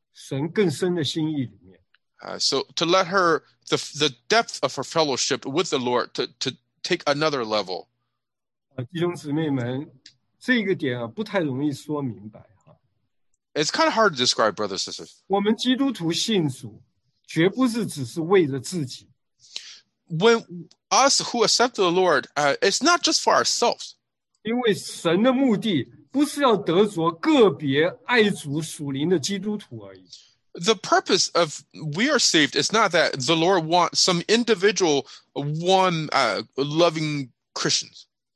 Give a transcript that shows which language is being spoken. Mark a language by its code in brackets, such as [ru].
[zh] 她与主之间的交通的深度和层次要进到神更深的心意里面。 [en] So to let her, the depth of her fellowship with the Lord to take another level. [zh] 弟兄姊妹们,这个点不太容易说明白。 [en] It's kind of hard to describe, brothers and sisters. [zh] 我们基督徒信主，绝不是只是为了自己。 [en] When us who accept the Lord, it's not just for ourselves. [zh] 因为神的目的不是要得着个别爱主属灵的基督徒而已。 [en] The purpose of we are saved is not that the Lord wants some individual one loving Christians.